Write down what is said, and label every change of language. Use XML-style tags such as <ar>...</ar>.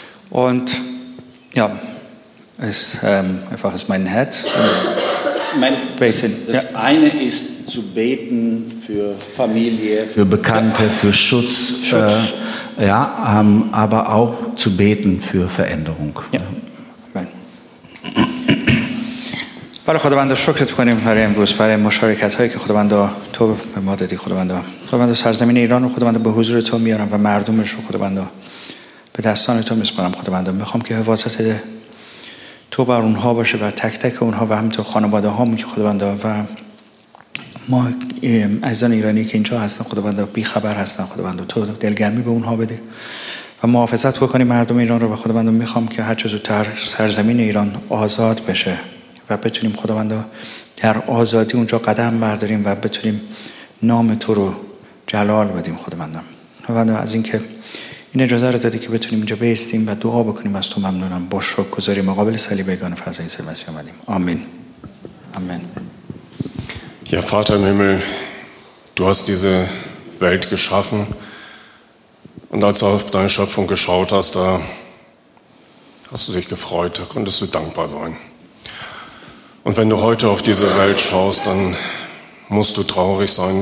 <de>Und ja, es einfach ist mein Herz. Das eine ist zu beten für Familie, für Bekannte, für Schutz. Aber auch zu beten für Veränderung. Ja.</de> <fa>برای خداوند شکرت کنیم برای امروز برای مشارکت هایی که خداوند تو به ما دادی خداوند سرزمین ایران رو خداوند به حضور تو میارم و مردمش رو خداوند به دستان تو میسپارم خداوند میخوام که حفاظت تو بر اونها باشه و تک تک اونها و همینطور خانواده ها که خداوند و ما عزیزان ایرانی که اینجا هستن خداوند بی خبر هستن خداوند تو دلگرمی به اونها بده و محافظت بکنی مردم ایران رو و خداوند میخوام که هر چه زودتر سرزمین ایران آزاد بشه و بتونیم خداوند در آزادی اونجا قدم برداریم و بتونیم نام تو رو جلال بدیم خداوند از این که این اجازه رو دادی که بتونیم اینجا بایستیم و دعا بکنیم از تو ممنونم با شکرگزاری مقابل صلیبگان فرزند عیسی مسیح آمدیم آمین آمین یا</fa> <de>Vater im Himmel du hast diese Welt geschaffen und als du auf deine Schöpfung geschaut hast da hast du dich gefreut da konntest du dankbar sein. Und wenn du heute auf diese Welt schaust, dann musst du traurig sein.</de>